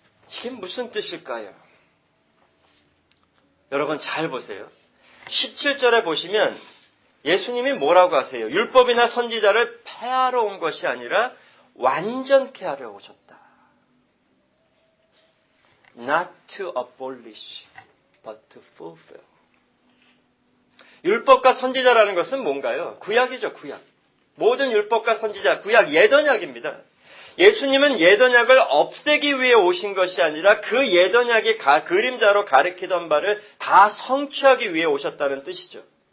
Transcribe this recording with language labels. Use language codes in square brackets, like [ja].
[ko] 이게 무슨 뜻일까요? 여러분 잘 보세요. 17절에 보시면 예수님이 뭐라고 하세요? 율법이나 선지자를 폐하러 온 것이 아니라 완전케 하려 오셨다. [en] Not to abolish, but to fulfill. [ko] 율법과 선지자라는 것은 뭔가요? 구약이죠, 구약. 모든 율법과 선지자, 구약, 옛 언약입니다. 예수님은 옛 언약을 없애기 위해 오신 것이 아니라 그 옛 언약이 그림자로 가르치던 바를 다 성취하기 위해 오셨다는 뜻이죠.